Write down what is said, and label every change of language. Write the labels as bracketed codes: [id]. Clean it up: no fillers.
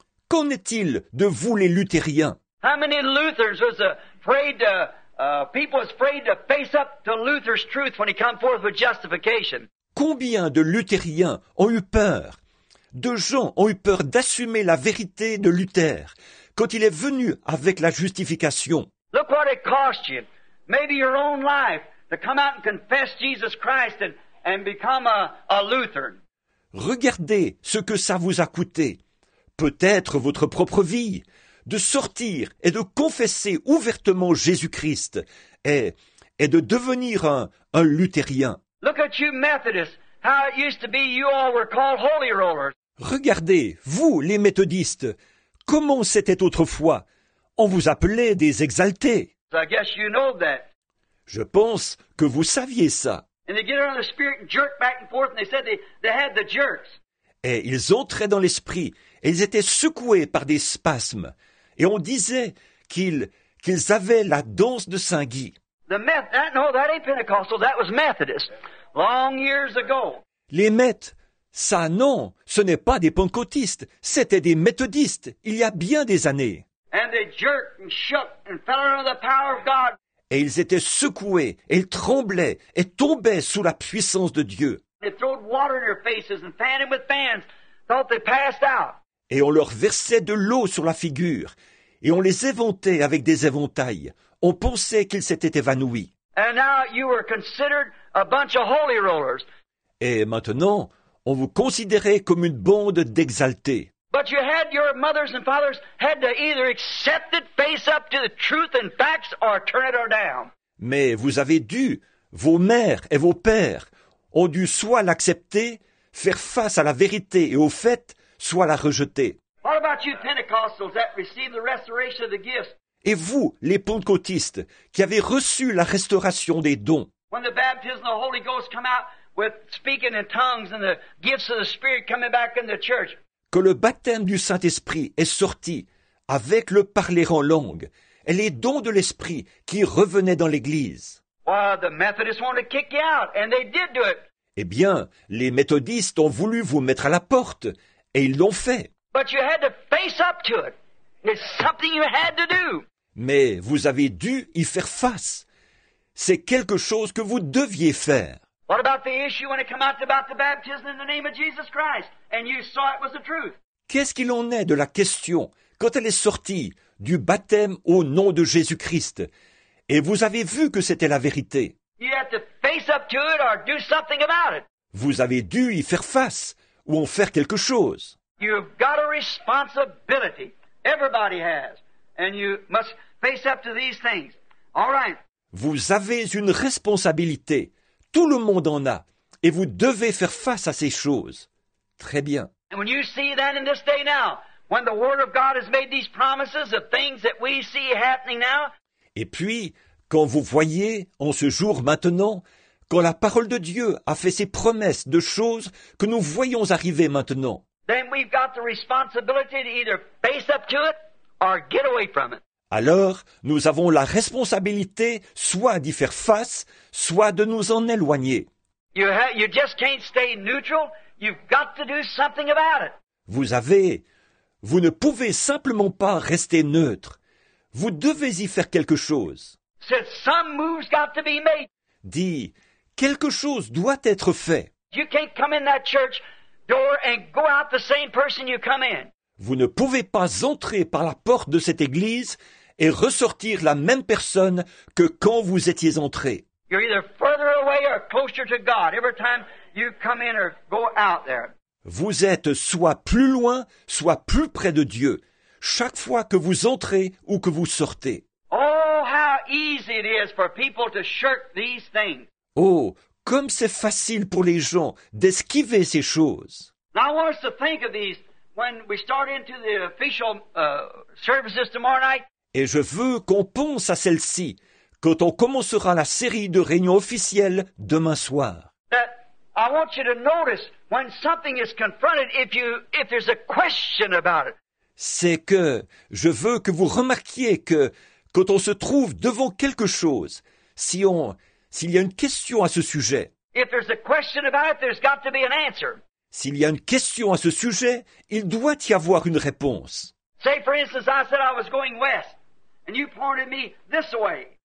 [fr] Qu'en est-il de vous, les luthériens? [en] How many Luthers was afraid to, people was afraid to face up to Luther's truth when he came forth with justification? [fr] Combien de luthériens ont eu peur? De gens ont eu peur d'assumer la vérité de Luther quand il est venu avec la justification. [en] Look what it cost you. Maybe your own life to come out and confess Jesus Christ and become a Lutheran. [fr] Regardez ce que ça vous a coûté. Peut-être votre propre vie, de sortir et de confesser ouvertement Jésus-Christ et de devenir un luthérien. [en] Look at you Methodists, how it used to be you all were called holy rollers. [fr] Regardez, vous les méthodistes, comment c'était autrefois. On vous appelait des exaltés. [en] So I guess you know that. [fr] Je pense que vous saviez ça. [en] And they get under the spirit and jerk back and forth, and they said they had the jerks. [fr] Et ils entraient dans l'esprit, et ils étaient secoués par des spasmes. Et on disait qu'ils avaient la danse de Saint Guy. [en] That ain't Pentecostal. That was Methodist, long years ago. [fr] Les Mets, ça non, ce n'est pas des pentecôtistes, c'était des méthodistes il y a bien des années. [en] And they jerked and shook and fell under the power of God. [fr] Et ils étaient secoués, et ils tremblaient, et tombaient sous la puissance de Dieu. [en] They threw water in their faces and fanned them with fans, thought they passed out. [fr] Et on leur versait de l'eau sur la figure, et on les éventait avec des éventails. On pensait qu'ils s'étaient évanouis. [en] And now you were considered a bunch of holy rollers. [fr] Et maintenant, on vous considérait comme une bande d'exaltés. [en] But you had your mothers and fathers had to either accept it, face up to the truth and facts, or turn it down. [fr] Mais vous avez dû, vos mères et vos pères ont dû soit l'accepter, faire face à la vérité et au fait, soit la rejeter. [en] What about you Pentecostals that received the restoration of the gifts? [fr] Et vous, les Pentecôtistes, qui avez reçu la restauration des dons? [en] When the baptism of the Holy Ghost come out with speaking in tongues and the gifts of the Spirit coming back in the church. [fr] Que le baptême du Saint-Esprit est sorti avec le parler en langue et les dons de l'Esprit qui revenaient dans l'Église. [en] Well, the Methodists wanted to kick you out, and they did do it. [fr] Eh bien, les méthodistes ont voulu vous mettre à la porte et ils l'ont fait. [en] But you had to face up to it. It's something you had to do. [fr] Mais vous avez dû y faire face. C'est quelque chose que vous deviez faire. [en] What about the issue when it came out about the baptism in the name of Jesus Christ? And you saw it was the truth. [fr] Qu'est-ce qu'il en est de la question quand elle est sortie du baptême au nom de Jésus-Christ? Et vous avez vu que c'était la vérité. [en] You have to face up to it or do something about it. [fr] Vous avez dû y faire face ou en faire quelque chose. [en] You've got a responsibility. Everybody has. And you must face up to these things. All right. [fr] Vous avez une responsabilité. Tout le monde en a. Et vous devez faire face à ces choses. Très bien. [en] And when you see that in this day now, when the Word of God has made these promises of things that we see happening now. [fr] Et puis, quand vous voyez, en ce jour maintenant, quand la parole de Dieu a fait ses promesses de choses que nous voyons arriver maintenant. [en] Then we've got the responsibility to either face up to it or get away from it. [fr] Alors, nous avons la responsabilité soit d'y faire face, soit de nous en éloigner. [en] You just can't stay neutral. You've got to do something about it. [fr] Vous ne pouvez simplement pas rester neutre. Vous devez y faire quelque chose. [en] Said some move's got to be made. [fr] Dit, quelque chose doit être fait. [en] You can't come in that church door and go out the same person you come in. [fr] Vous ne pouvez pas entrer par la porte de cette église et ressortir la même personne que quand vous étiez entré. [en] You're either further away or closer to God every time you come in or go out there. [fr] Vous êtes soit plus loin, soit plus près de Dieu, chaque fois que vous entrez ou que vous sortez. [en] Oh, how easy it is for people to shirk these things. [fr] Oh, comme c'est facile pour les gens d'esquiver ces choses. [en] Now I want us to think of these when we start into the official services tomorrow night. [fr] Et je veux qu'on pense à celle-ci quand on commencera la série de réunions officielles demain soir. [en] That I want you to notice when something is confronted if there's a question about it. [fr] C'est que je veux que vous remarquiez que quand on se trouve devant quelque chose, s'il y a une question à ce sujet. [en] If there's a question about it, there's got to be an answer. [fr] S'il y a une question à ce sujet, il doit y avoir une réponse. [en] Say for instance, I said I was going west. And you pointed me this way.